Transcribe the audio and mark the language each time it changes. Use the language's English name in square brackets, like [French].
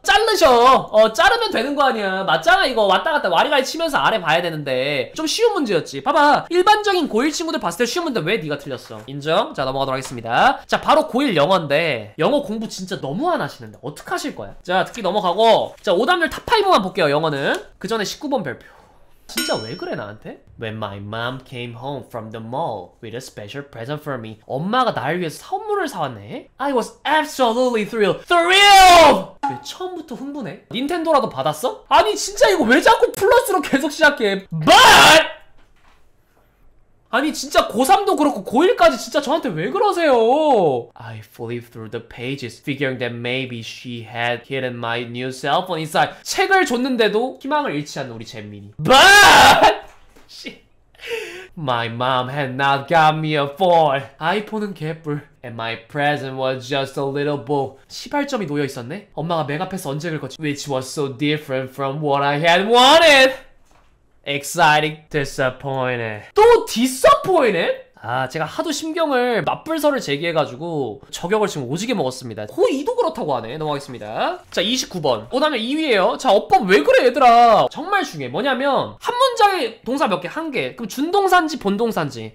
[Korean] 자르셔. 자르면 되는 거 아니야. 맞잖아 이거. 왔다 갔다 와리가리 치면서 아래 봐야 되는데. 좀 쉬운 문제였지. 봐봐. 일반적인 고1 친구들 봤을 때 쉬운 문제 왜 네가 틀렸어? 인정. 자, 넘어가도록 하겠습니다. 자, 바로 고1 영어인데 영어 공부 진짜 너무 안 하시는데 어떡하실 거야? 자, 듣기 넘어가고 자, 오답률 탑5만 볼게요. 영어는 그 전에 19번 별표. 진짜 왜 그래 나한테? [English] When my mom came home from the mall with a special present for me. [Korean] 엄마가 나를 위해서 선물을 사왔네? [English] I was absolutely thrilled. [Korean] Thrilled! 왜 처음부터 흥분해? 닌텐도라도 받았어? 아니 진짜 이거 왜 자꾸 플러스로 계속 시작해? [English] But! [Korean] 아니 진짜 고3도 그렇고 고1까지 진짜 저한테 왜 그러세요? [English] I flipped through the pages figuring that maybe she had hidden my new cell phone inside. [Korean] 책을 줬는데도 희망을 잃지 않는 우리 잼민이. [English] But! My mom had not got me a phone. [Korean] 아이폰은 개뿔. [English] And my present was just a little book. [Korean] 시발점이 놓여 있었네? 엄마가 맥 앞에서 언제 긁었지? [English] Which was so different from what I had wanted. Exciting. Disappointed. [Korean] 또 [English] disappointed? [Korean] 아, 제가 하도 심경을 맞불설을 제기해가지고 저격을 지금 오지게 먹었습니다. 고 2도 그렇다고 하네. 넘어가겠습니다. 자, 29번. 오답률 2위에요. 자, 어법 왜 그래 얘들아. 정말 중요해. 뭐냐면 한 문장에 동사 몇 개? 한 개. 그럼 준동사인지 본동사인지.